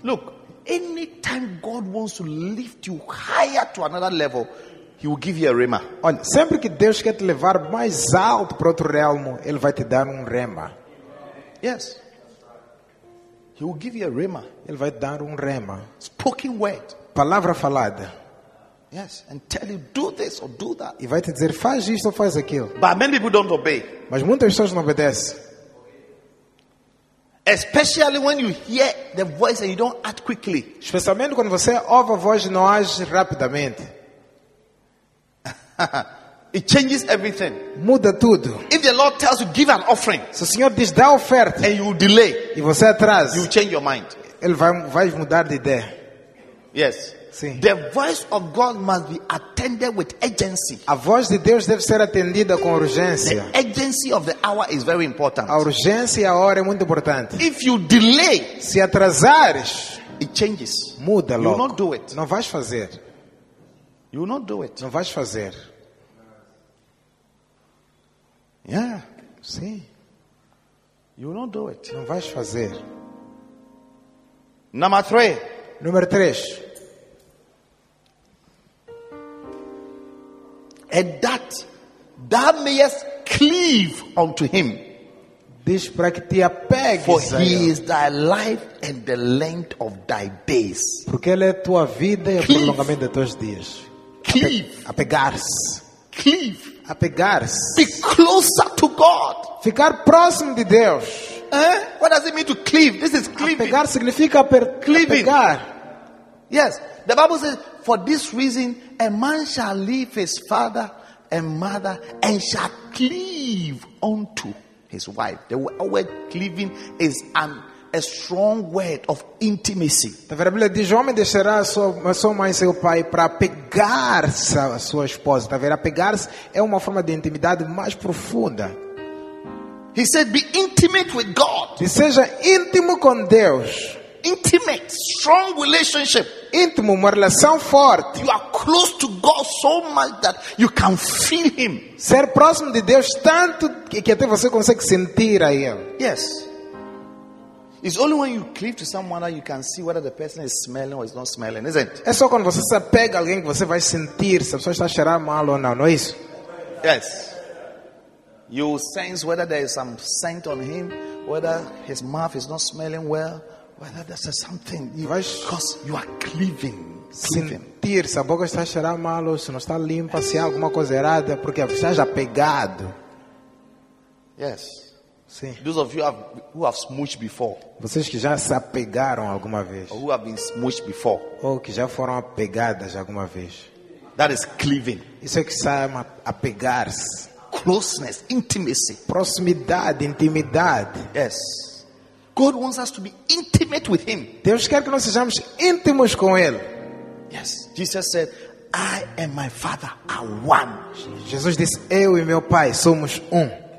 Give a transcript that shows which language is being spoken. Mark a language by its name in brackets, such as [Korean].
[English] Look, anytime God wants to lift you higher to another level, He will give you a rema. [Portuguese] Olha, sempre que Deus quer te levar mais alto para outro realmo, Ele vai te dar rema. [English] Yes. He will give you a rema. [Portuguese] Ele vai dar rema. [English] Spoken word. [Portuguese] Palavra falada. [English] Yes, and tell you do this or do that. [Portuguese] E vai te dizer faz isto ou faz aquilo. [English] But many people don't obey. [Portuguese] Mas muitas pessoas não obedecem. [English] Especially when you hear the voice and you don't act quickly. [Portuguese] Especialmente quando você ouve a voz e não age rapidamente. [English] It changes everything. [Portuguese] Muda tudo. [English] If the Lord tells you give an offering, [Portuguese] se o Senhor diz dá oferta, [English] and you delay, [Portuguese] e você atrasa, [English] you change your mind. [Portuguese] Ele vai mudar de ideia. [English] Yes. [Portuguese] Sim. [English] The voice of God must be attended with urgency. [Portuguese] A voz de Deus deve ser atendida com urgência. [English] The urgency of the hour is very important. [Portuguese] A urgência da hora é muito importante. [English] If you delay, [Portuguese] se atrasares, [English] it changes. [Portuguese] Muda logo. [English] You will not do it. [Portuguese] Não vais fazer. [English] You will not do it. [Portuguese] Não vais fazer. [English] Yeah. [Portuguese] Sim. [English] You will not do it. [Portuguese] Não vais fazer. [English] Number three. [Portuguese] Número 3. [English] And that mayest cleave unto him. [Portuguese] Diz para que te apegues. [English] For he is thy life and the length of thy days. [Portuguese] Porque ele é tua vida e o prolongamento de teus dias. [English] Cleave. [Portuguese] Apegar-se. [English] Cleave. [Portuguese] Apegar-se. [English] Be closer to God. [Portuguese] Ficar próximo de Deus. [English] What does it mean to cleave? This is cleaving. [Portuguese] Apegar significa apegar. [English] Yes. The Bible says, for this reason, a man shall leave his father and mother and shall cleave unto his wife. The word cleaving is a strong word of intimacy. [Portuguese] A Bíblia diz, homem deixará sua mãe e seu pai para apegar-se à sua esposa. A Bíblia, apegar-se é uma forma de intimidade mais profunda. [English] He said, be intimate with God. [Portuguese] E seja íntimo com Deus. [English] Intimate, strong relationship. [Portuguese] Íntimo, uma relação forte. [English] You are close to God so much that you can feel Him. [Portuguese] Ser próximo de Deus tanto que até você consegue sentir a Ele. [English] Yes. It's only when you cleave to someone that you can see whether the person is smelling or is not smelling, isn't it? [Portuguese] É só quando você se apega a alguém que você vai sentir se a pessoa está a cheirar mal ou não, não é isso? [English] Yes. You sense whether there is some scent on him, whether his mouth is not smelling well, whether there's something. Because you are cleaving. [Portuguese] Sentir se a boca está a cheirar mal ou se não está limpa, se há alguma coisa errada, porque você está apegado. [English] Yes. [Portuguese] Sim. [English] Those of you who have smooched before. [Portuguese] Vocês que já se apegaram alguma vez. [English] Or who have been smooched before. [Portuguese] Ou que já foram apegadas alguma vez. [English] That is cleaving. [Portuguese] Isso é que se chama apegar-se. [English] Closeness, intimacy. [Portuguese] Proximidade, intimidade. [English] Yes. God wants us to be intimate with Him. [Portuguese] Deus quer que nós sejamos íntimos com Ele. [English] Yes. Jesus said, I and my Father are one. [Portuguese] Jesus disse, eu e meu Pai somos um.